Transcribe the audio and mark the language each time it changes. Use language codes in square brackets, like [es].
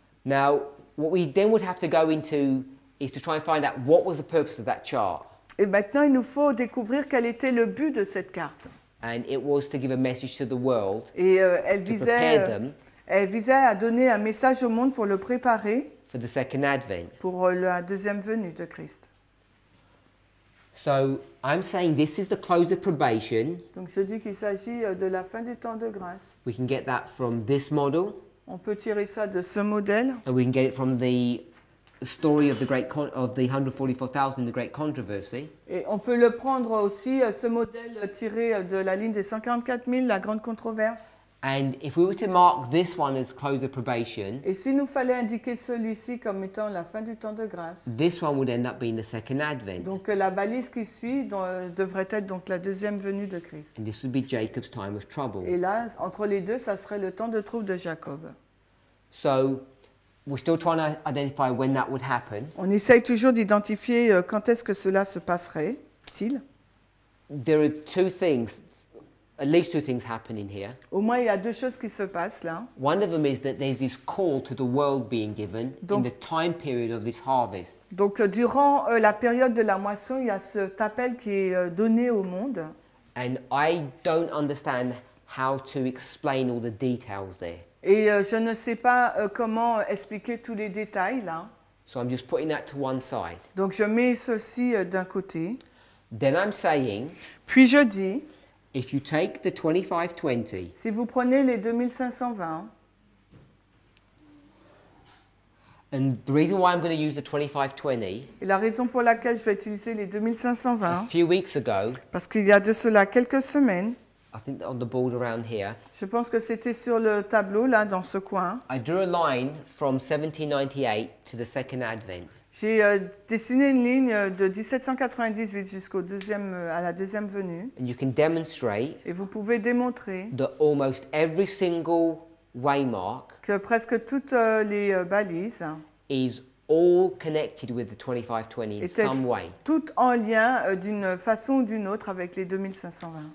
[en] Now, what we then would have to go into is to try and find out what was the purpose of that chart. [fr] Et maintenant, il nous faut découvrir quel était le but de cette carte. [en] And it was to give a message to the world. [fr] Et elle visait. [en] To prepare them. [fr] Elle visait à donner un message au monde pour le préparer [en] for the second advent. [fr] Pour la deuxième venue de Christ. [en] So, I'm saying this is the close of probation. [fr] Donc je dis qu'il s'agit de la fin du temps de grâce. [en] We can get that from this model. [fr] On peut tirer ça de ce modèle. [en] And we can get it from the story of the great of the 144,000, the great controversy. [fr] Et on peut le prendre aussi ce modèle tiré de la ligne des 144,000, la grande controverse. [en] And if we were to mark this one as close of probation, [fr] et s'il nous fallait indiquer celui-ci comme étant la fin du temps de grâce, [en] this one would end up being the second advent. [fr] Donc la balise qui suit devrait être donc la deuxième venue de Christ. [en] And this would be Jacob's time of trouble. [fr] Et là, entre les deux, ça serait le temps de trouble de Jacob. [en] So, we're still trying to identify when that would happen. [fr] On essaye toujours d'identifier quand est-ce que cela se passerait-il. [en] There are two things. At least two things happening here. [fr] Au moins, il y a deux choses qui se passent là. [en] One of them is that there's this call to the world being given [fr] donc, [en] in the time period of this harvest. [fr] Donc, durant la période de la moisson, il y a cet appel qui est donné au monde. [en] And I don't understand how to explain all the details there. [fr] Et je ne sais pas comment expliquer tous les détails là. [en] So I'm just putting that to one side. [fr] Donc, je mets ceci d'un côté. [en] Then I'm saying. [fr] Puis je dis. [en] If you take the 2520, [fr] si vous prenez les 2520, [en] and the reason why I'm going to use the 2520, [fr] et la raison pour laquelle je vais utiliser les 2520, [en] a few weeks ago, [fr] parce qu'il y a de cela quelques semaines, [en] I think on the board around here, [fr] je pense que c'était sur le tableau là dans ce coin, [en] I drew a line from 1798 to the second advent. [fr] J'ai dessiné une ligne de 1798 jusqu'au deuxième, à la deuxième venue. [en] And you can demonstrate [fr] et vous pouvez démontrer [en] that almost every single waymark [fr] que presque toutes les balises [en] is all connected with the 2520 in some way. [fr] Toutes en lien d'une façon ou d'une autre avec les 2520.